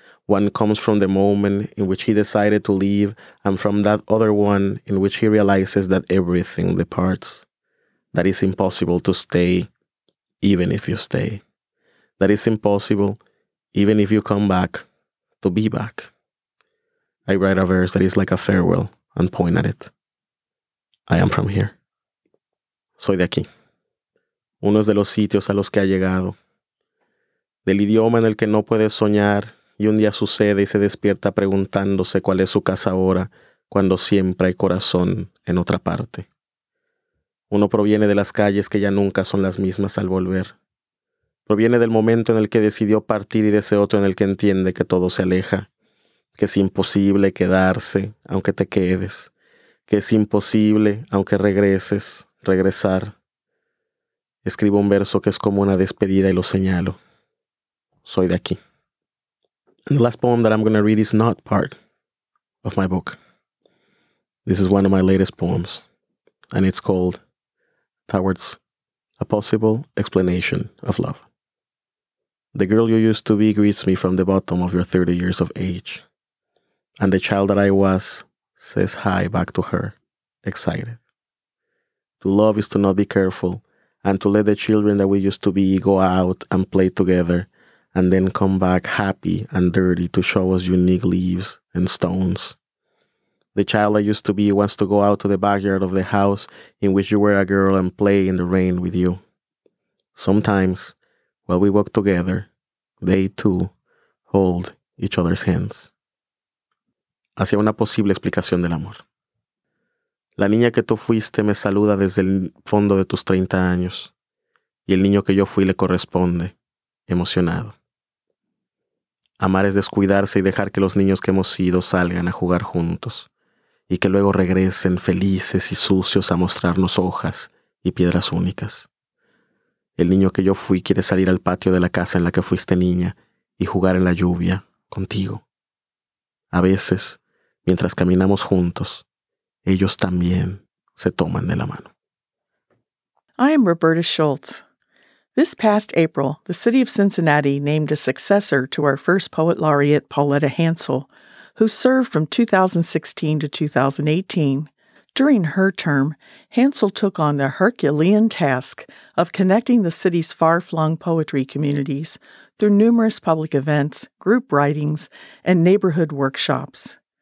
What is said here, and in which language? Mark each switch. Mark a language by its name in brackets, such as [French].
[English] One comes from the moment in which he decided to leave, and from that other one in which he realizes that everything departs, that it's impossible to stay, even if you stay, that it's impossible, even if you come back, to be back. I write a verse that is like a farewell and point at it. I am from here. [Spanish] Soy de aquí. Uno es de los sitios a los que ha llegado. Del idioma en el que no puedes soñar, y un día sucede y se despierta preguntándose cuál es su casa ahora, cuando siempre hay corazón en otra parte. Uno proviene de las calles que ya nunca son las mismas al volver. Proviene del momento en el que decidió partir y de ese otro en el que entiende que todo se aleja, que es imposible quedarse aunque te quedes, que es imposible aunque regreses, regresar. Escribo un verso que es como una despedida y lo señalo. Soy de aquí. [English] And the last poem that I'm going to read is not part of my book. This is one of my latest poems, and it's called Towards a Possible Explanation of Love. The girl you used to be greets me from the bottom of your 30 years of age, and the child that I was says hi back to her, excited. To love is to not be careful, and to let the children that we used to be go out and play together, and then come back happy and dirty to show us unique leaves and stones. The child I used to be wants to go out to the backyard of the house in which you were a girl and play in the rain with you. Sometimes, while we walk together, they too hold each other's hands. [Spanish] Hacia una posible explicación del amor. La niña que tú fuiste me saluda desde el fondo de tus 30 años, y el niño que yo fui le corresponde, emocionado. Amar es descuidarse y dejar que los niños que hemos sido salgan a jugar juntos y que luego regresen felices y sucios a mostrarnos hojas y piedras únicas. El niño que yo fui quiere salir al patio de la casa en la que fuiste niña y jugar en la lluvia contigo. A veces, mientras caminamos juntos, ellos también se toman de la mano. [English] I am Roberta Schultz. This past April, the city of Cincinnati named a successor to our first poet laureate, Pauletta Hansel, who served from 2016 to 2018. During her term, Hansel took on the Herculean task of connecting the city's far-flung poetry communities through numerous public events, group writings, and neighborhood workshops.